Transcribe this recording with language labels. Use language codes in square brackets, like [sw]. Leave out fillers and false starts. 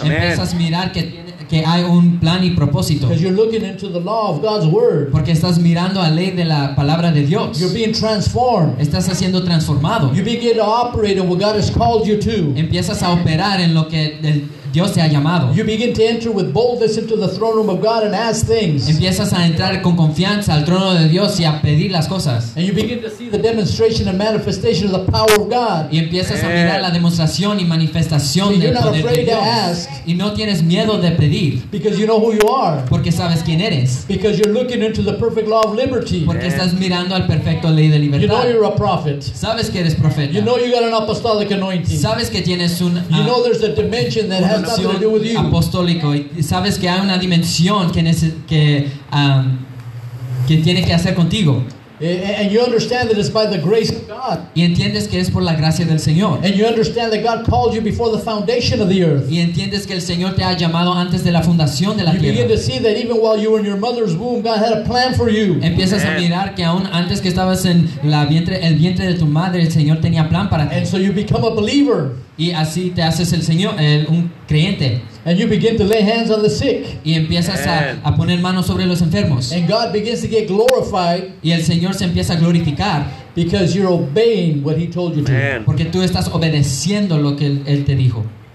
[es] Empiezas a mirar que que hay un plan y propósito. [en] Because you're looking into the law of God's word. [es] Porque estás mirando a ley de la palabra de Dios. [en] You're being transformed. [es] Estás siendo transformado. [en] You begin to operate in what God has called you to. [es] Empiezas a operar en lo que el Dios te ha llamado. [en] You begin to enter with boldness into the throne room of God and ask things. [es] Empiezas a entrar con confianza al trono de Dios y a pedir las cosas. [en] And you begin to see the demonstration and manifestation of the power of God. [es] Y empiezas a mirar la demostración y manifestación del poder de Dios. [en] You're not afraid to ask. [es] Y no tienes miedo de pedir. [en] Because you know who you are. [es] Porque sabes quién eres. [en] Because you're looking into the perfect law of liberty. [es] Porque estás mirando al perfecto ley de libertad. [en] You know you're a prophet. [es] Sabes que eres profeta. [en] You know you got an apostolic anointing. [es] Sabes que tienes un. [en] You know there's a dimension that has [es] apostólico y sabes que hay una dimensión que que tiene que hacer contigo. [en] And you understand that it's by the grace of God. [es] Y entiendes que es por la gracia del Señor. [en] And you understand that God called you before the foundation of the earth. [es] Y entiendes que el Señor te ha llamado antes de la fundación de la you tierra. [en] You begin to see that even while you were in your mother's womb, God had a plan for you. [es] Empiezas a mirar que aún antes que estabas en la vientre, el vientre de tu madre, el Señor tenía plan para ti. [en] And so you become a believer. [es] Y así te haces el Señor, el, un creyente. [en] And you begin to lay hands on the sick. [es] Y empiezas a poner manos sobre los enfermos. [en] And God begins to get glorified. [es] Y el Señor se empieza a glorificar. [en] Because you're obeying what He told you to. [es] Porque tú estás obedeciendo lo que Él te dijo.